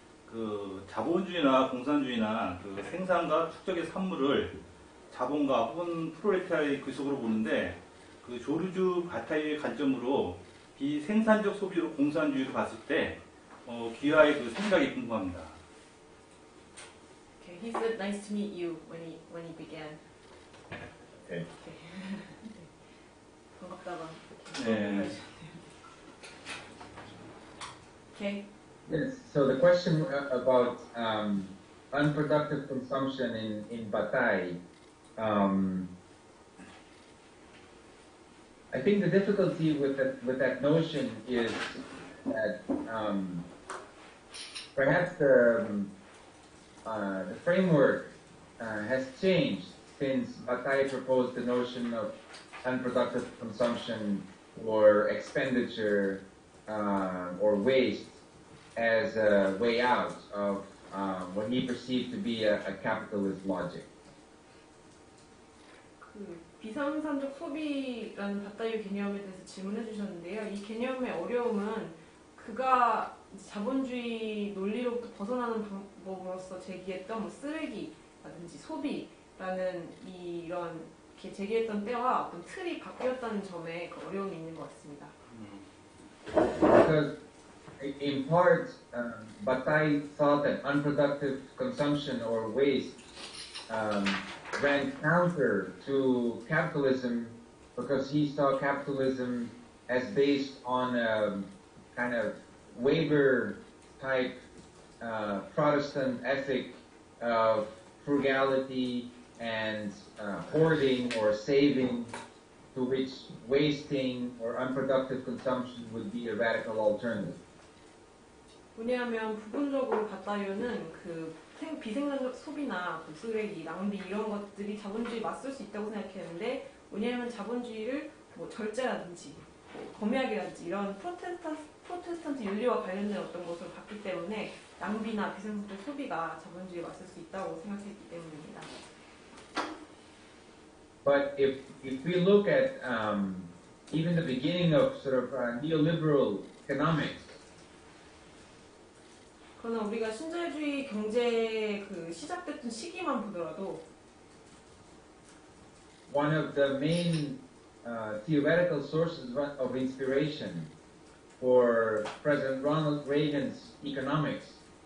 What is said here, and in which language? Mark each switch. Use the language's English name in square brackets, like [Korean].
[Korean] 그 자본주의나 공산주의나 그 생산과 축적의 산물을 자본가 혹은 프롤레타리아의 귀속으로 보는데 그 조르주 바타이의 관점으로 비생산적 소비로 공산주의로 봤을 때 귀하의 그 생각이 궁금합니다. [English] Okay, he said nice to meet you when he began. Okay. Okay. [Korean] 반갑다. 네. [English] Okay. Yes. So the question about unproductive consumption in Batai, I think the difficulty with that notion is that perhaps the framework has changed since Batai proposed the notion of unproductive consumption or expenditure or waste as a way out of what he perceived to be a capitalist logic. [Korean] 그 비생산적 소비라는 바타이 개념에 대해서 질문해 주셨는데요. 이 개념의 어려움은 그가 자본주의 논리로부터 벗어나는 방법으로서 제기했던 뭐 쓰레기라든지 소비라는 이런 이렇게 제기했던 때와 어떤 틀이 바뀌었다는 점에 그 어려움이 있는 것 같습니다. [English] In part, Batai thought that unproductive consumption or waste ran counter to capitalism because he saw capitalism as based on a kind of Weber-type Protestant ethic of frugality and hoarding or saving, to which wasting or unproductive consumption would be a radical alternative. [Korean] 왜냐하면 부분적으로 바타이어는 그 비생산적 소비나 쓰레기, 낭비 이런 것들이 자본주의에 맞설 수 있다고 생각했는데 왜냐하면 자본주의를 뭐 절제라든지 뭐 검약이라든지 이런 프로테스탄트 윤리와 관련된 어떤 것으로 봤기 때문에 낭비나 비생산적 소비가 자본주의에 맞설 수 있다고 생각했기 때문입니다. [English] But if we look at even the beginning of sort of neoliberal economics, [Korean] 그러나 우리가 신자유주의 경제의 그 시작됐던 시기만 보더라도 [English] one of the main theoretical sources of inspiration for President Ronald Reagan's economics